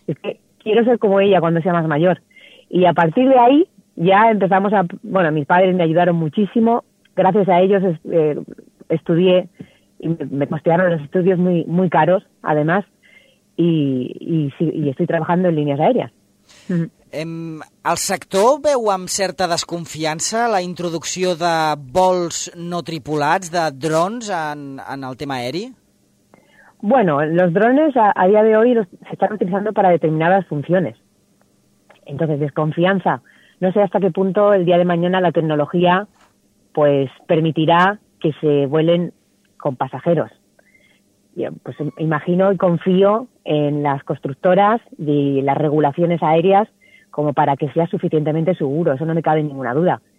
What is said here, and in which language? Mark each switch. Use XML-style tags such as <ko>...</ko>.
<es>Es que quiero ser como ella cuando sea más mayor. Y a partir de ahí ya empezamos a... Bueno, mis padres me ayudaron muchísimo. Gracias a ellos estudié... Y me costearon los estudios muy muy caros, además, y estoy trabajando en líneas aéreas.</es> <ca>El sector veu amb certa desconfiança la introducció de vols no tripulats, de drons, en el tema aeri?</ca> <es>Bueno, los drones a día de hoy se están utilizando para determinadas funciones. Entonces, desconfianza. No sé hasta qué punto el día de mañana la tecnología pues permitirá que se vuelen con pasajeros. Yo, pues imagino y confío en las constructoras y las regulaciones aéreas como para que sea suficientemente seguro, eso no me cabe ninguna duda.</es>